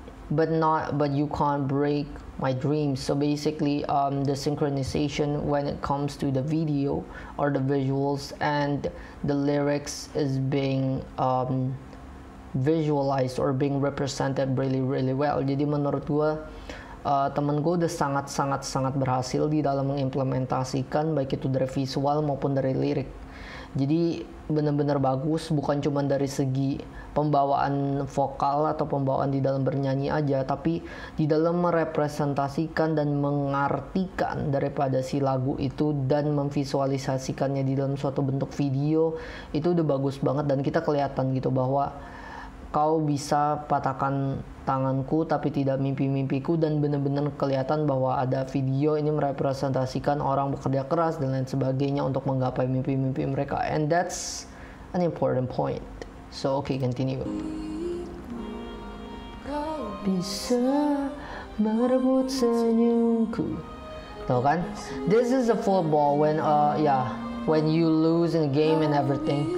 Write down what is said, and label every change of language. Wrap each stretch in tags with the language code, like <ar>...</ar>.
<en>But you can't break my dreams. So basically, the synchronization when it comes to the video or the visuals and the lyrics is being visualized or being represented really really well.</en> <id>Jadi menurut gua, temen gua udah sangat berhasil di dalam mengimplementasikan baik itu dari visual maupun dari lirik. Jadi benar-benar bagus, bukan cuma dari segi pembawaan vokal atau pembawaan di dalam bernyanyi aja, tapi di dalam merepresentasikan dan mengartikan daripada si lagu itu dan memvisualisasikannya di dalam suatu bentuk video, itu udah bagus banget dan kita kelihatan gitu bahwa kau bisa patahkan tanganku tapi tidak mimpi-mimpiku, dan benar-benar kelihatan bahwa ada video ini merepresentasikan orang bekerja keras dan lain sebagainya untuk menggapai mimpi-mimpi mereka,</id> <en>and that's an important point. So okay, continue.</en> <id>Kau bisa merebut senyumku. Tahu kan?</id> <en>This is a football when when you lose in a game and everything.</en>